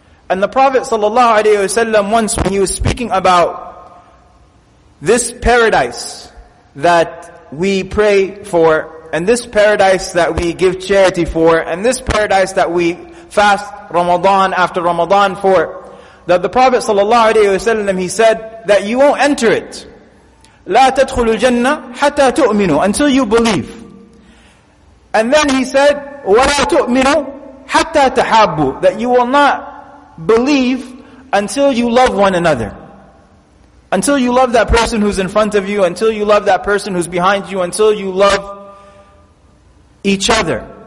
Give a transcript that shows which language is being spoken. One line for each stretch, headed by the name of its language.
English: And the Prophet sallallahu alayhi wa sallam, once when he was speaking about this paradise that we pray for, and this paradise that we give charity for, and this paradise that we fast Ramadan after Ramadan for, that the Prophet sallallahu alayhi wa sallam, he said that you won't enter it.
Arabic: لا تدخل الجنة حتى تؤمنوا,
English: until you believe. And then he said,
Arabic: وَلَا تُؤْمِنُوا حَتَّى تَحَابُوا,
English: that you will not believe until you love one another. Until you love that person who's in front of you, until you love that person who's behind you, until you love each other.